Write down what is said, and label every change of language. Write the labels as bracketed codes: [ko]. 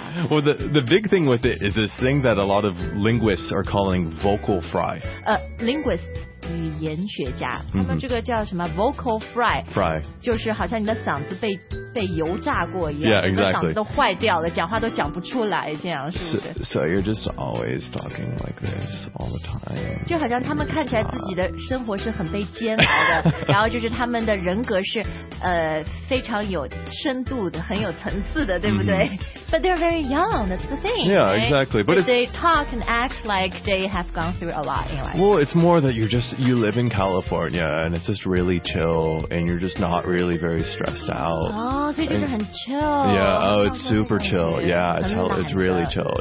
[en] Well, the big thing with it is this thing that a lot of linguists are calling vocal fry. [zh] Linguists, 语言学家，他们这个叫什么 vocal fry? [en] Fry. [zh] 就是好像你的嗓子被油炸过一样。 [en] Yeah, exactly. [zh] 嗓子都坏掉了，讲话都讲不出来，这样是不是？ [en] So you're just always talking like this all the time. [zh] 就好像他们看起来自己的生活是很被煎熬的，然后就是他们的人格是非常有深度的，很有层次的，对不对？ [en] But they're very young, that's the thing. Yeah, right? Exactly. But they talk and act like they have gone through a lot in life. Well, it's more that you live in California and it's just really chill and you're just not really very stressed out. Oh, so it's just very chill. Yeah, oh, it's super chill. Yeah, it's really chill.